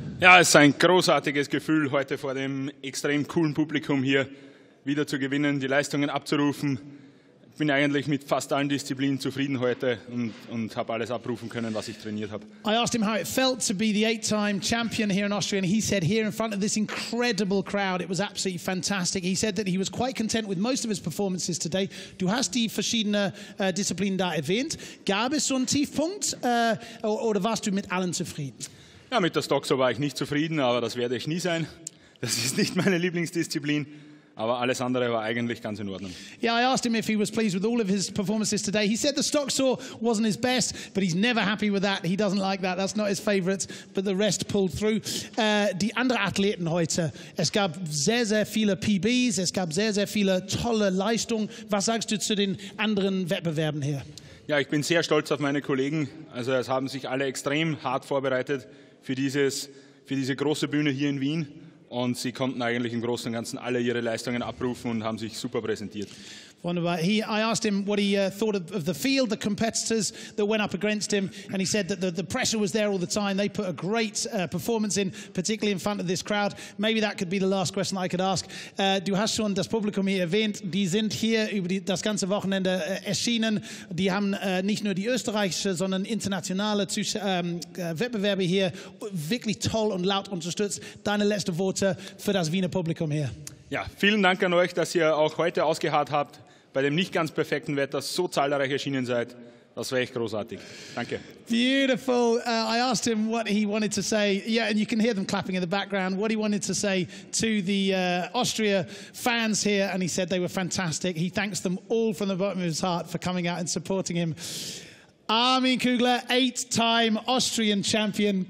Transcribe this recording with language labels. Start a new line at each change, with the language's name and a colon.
German: Ja, es ist ein großartiges Gefühl, heute vor dem extrem coolen Publikum hier wieder zu gewinnen, die Leistungen abzurufen. Ich bin eigentlich mit fast allen Disziplinen zufrieden heute und habe alles abrufen können, was ich trainiert habe.
English: I asked him how it felt to be the 8-time champion here in Austria, and he said here in front of this incredible crowd, it was absolutely fantastic. He said that he was quite content with most of his performances today.
German: Du hast die verschiedenen Disziplinen da erwähnt. Gab es so einen Tiefpunkt oder warst du mit allen zufrieden? Ja, mit der Stoxo war ich nicht zufrieden, aber das werde ich nie sein. Das ist nicht meine Lieblingsdisziplin. Aber alles andere war eigentlich ganz in Ordnung.
English: Yeah, I asked him if he was pleased with all of his performances today. He said the stock saw wasn't his best, but he's never happy with that. He doesn't like that. That's not his favorite. But the rest pulled through.
German: Die andere Athleten heute, es gab sehr, sehr viele PBs, es gab sehr, sehr viele tolle Leistungen. Was sagst du zu den anderen Wettbewerben hier? Ja, ich bin sehr stolz auf meine Kollegen. Also es haben sich alle extrem hart vorbereitet für diese große Bühne hier in Wien. Und sie konnten eigentlich im Großen und Ganzen alle ihre Leistungen abrufen und haben sich super präsentiert. Wunderbar.
English: I asked him what he thought of the field, the competitors that went up against him, and he said that the pressure was there all the time. They put a great performance in, particularly in front of this crowd. Maybe that could be the last question I could ask.
German: Du hast schon das Publikum hier erwähnt. Die sind hier über das ganze Wochenende erschienen. Die haben nicht nur die österreichische, sondern internationale Wettbewerbe hier wirklich toll und laut unterstützt. Deine letzte Worte für das Wiener Publikum hier. Ja, vielen Dank an euch, dass ihr auch heute ausgeharrt habt, bei dem nicht ganz perfekten Wetter so zahlreich erschienen seid. Das war echt großartig. Danke.
English: Beautiful. I asked him what he wanted to say. Yeah, and you can hear them clapping in the background. What he wanted to say to the Austria fans here, and he said they were fantastic. He thanks them all from the bottom of his heart for coming out and supporting him. Armin Kugler, 8-time Austrian champion.